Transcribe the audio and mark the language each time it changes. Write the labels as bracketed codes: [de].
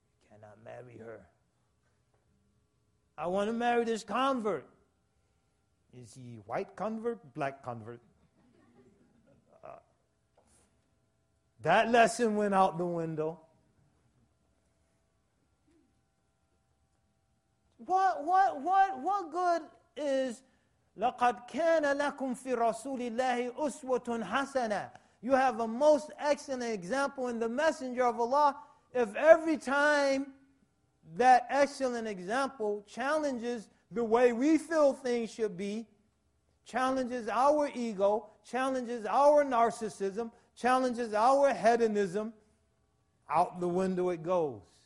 [en] Cannot marry her." "I want to marry this convert." "Is he white convert, black convert?" That lesson went out the window. What good is [ar] لَقَدْ كَانَ لَكُمْ فِي رَسُولِ اللَّهِ أُسْوَةٌ حَسَنَةٌ. [en] You have a most excellent example in the Messenger of Allah. If every time that excellent example challenges the way we feel things should be, challenges our ego, challenges our narcissism, challenges our hedonism, out the window it goes.